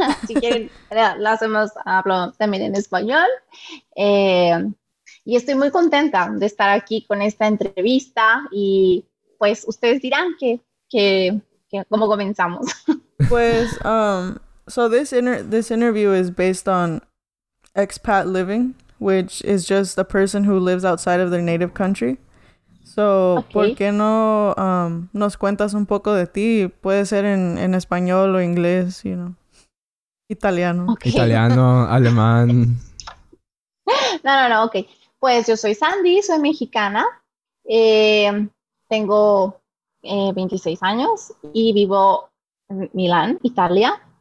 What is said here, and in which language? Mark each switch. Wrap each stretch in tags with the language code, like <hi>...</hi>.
<es>Si quieren, lo hacemos, hablo también en español. Y estoy muy contenta de estar aquí con esta entrevista. Y pues ustedes dirán que cómo comenzamos. Pues,</es> <en>so this interview is based on expat living, which is just a person who lives outside of their native country. So, okay.</en> <es>¿Por qué no nos cuentas un poco de ti? Puede ser en español o inglés,</es> <en>you know.</en> <es>Italiano. Okay. Italiano, alemán. No. Okay. Pues yo soy Sandy, soy mexicana. Tengo 26 años y vivo en Milán, Italia.</es>